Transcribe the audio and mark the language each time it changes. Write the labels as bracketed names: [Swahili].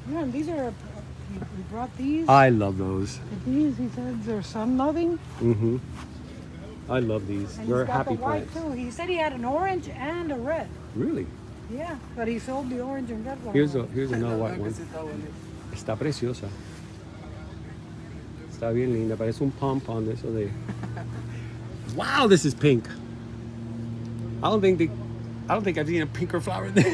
[English] Yeah, and these are, you brought these. I love those. These, he said, they're sun loving. Mm-hmm. I love these. And they're he's got happy the white plants. Too. He said he had an orange and a red. Really? Yeah, but he sold the orange and red one. Here's another white one. [Spanish] Está preciosa. Está bien linda, parece un pompon de eso de. [English] Wow, this is pink. I don't think I've seen a pinker flower.